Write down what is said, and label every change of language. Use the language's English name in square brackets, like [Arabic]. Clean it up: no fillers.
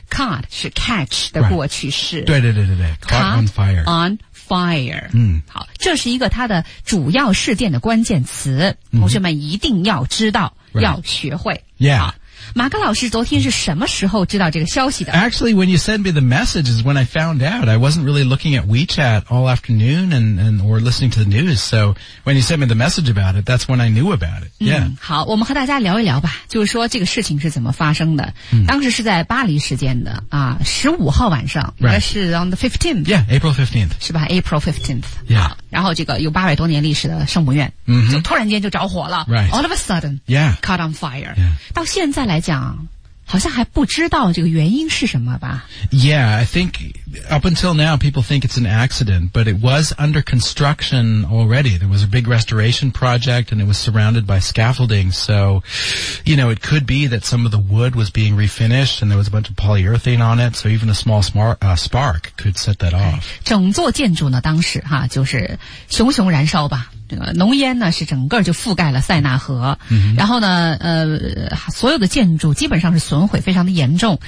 [Chinese] caught 是 catch 的过去式。 [English] Right. [Chinese] 对对对对对 , [English] caught on fire. on fire.、 Mm. [Chinese] 好，这是一个它的主要事件的关键词、 mm-hmm. 同学们一定要知道、 [English] right. [Chinese] 要学会。 [English] Yeah. [Chinese] 马克老师昨天是什么时候知道这个消息的 [English] ?Actually, when you sent me the message is when I found out. I wasn't really looking at WeChat all afternoon and or listening to the news. So, when you sent me the message about it, that's when I knew about it. Yeah.、 [Chinese] 嗯、好，我们和大家聊一聊吧。就是说这个事情是怎么发生的。嗯、当时是在巴黎时间的啊 ,15 号晚上。 [English] Right. [Chinese] 应该是 [English] on the 15th. Yeah, April 15th. [Chinese] 是吧 , [English] April 15th. Yeah. [Chinese] 然后这个有800多年历史的圣母院、 mm-hmm. 就突然间就着火了。 [English] Right. All of a sudden. Yeah. Caught on fire. Yeah. [Chinese] 到现在来讲好像还不知道这个原因是什么吧 [English] Yeah, I think up until now people think it's an accident, but it was under construction already. There was a big restoration project and it was surrounded by scaffolding. So, you know, it could be that some of the wood was being refinished and there was a bunch of polyurethane on it. So even a small spark could set that off. [Chinese] 整座建筑呢当时哈就是熊熊燃烧吧。浓烟呢是整个就覆盖了塞纳河、 mm-hmm. 然后呢所有的建筑基本上是损毁非常的严重、